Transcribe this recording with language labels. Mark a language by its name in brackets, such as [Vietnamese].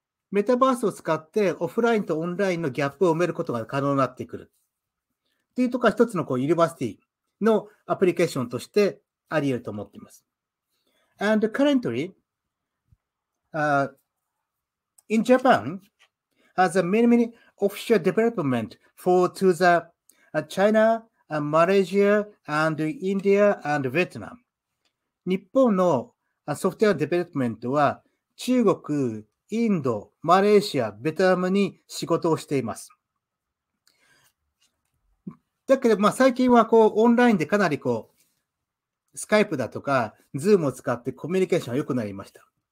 [Japanese] メタバースを使って、オフラインとオンラインのギャップを埋めることが可能になってくる。っていうところは一つのこうユニバーシティのアプリケーションとしてあり得ると思っています。 [English] And currently, in Japan, has many official development to the China, Malaysia, and India, and Vietnam. [Japanese] 日本のソフトウェアデベロップメントは中国、インド、マレーシア、ベトナムに仕事をしています。だけど、まあ、最近は、こう、オンラインでかなり、こう、スカイプだとか、ズームを使ってコミュニケーションが良くなりました。